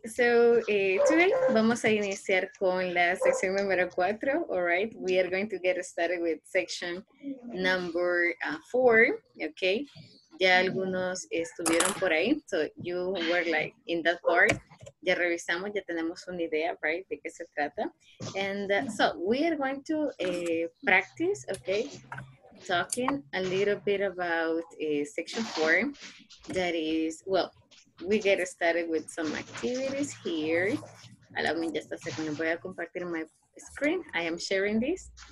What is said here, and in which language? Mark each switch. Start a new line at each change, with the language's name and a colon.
English: So, today
Spanish: vamos a iniciar con la sección número 4.
English: All right. We are going to get started with section number 4. Okay.
Spanish: Ya algunos estuvieron por ahí.
English: So, you were like in that part.
Spanish: Ya revisamos, ya tenemos una idea, right, de qué se trata.
English: And so, we are going to practice, okay, talking a little bit about section 4. That is, well, we get started with some activities here. Allow me just a second,
Spanish: voy a compartir
English: my screen. I am sharing this.